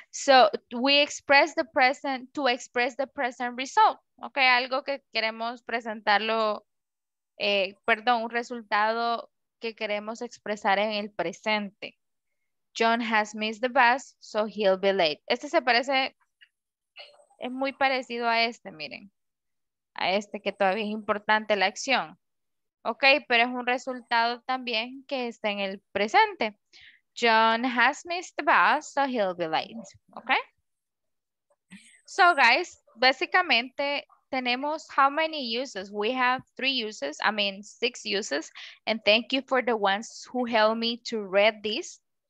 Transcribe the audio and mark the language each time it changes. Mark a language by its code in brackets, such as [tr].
[en] So we express the present to express the present result. [es] Okay, algo que queremos presentarlo, un resultado que queremos expresar en el presente. [en] John has missed the bus, so he'll be late. [es] Este se parece, es muy parecido a este, miren. A este que todavía es importante la acción. Ok, pero es un resultado también que está en el presente. [en] John has missed the bus, so he'll be late. Ok. So, guys, [es] básicamente tenemos [en] how many uses? We have six uses. And thank you for the ones who helped me to read this.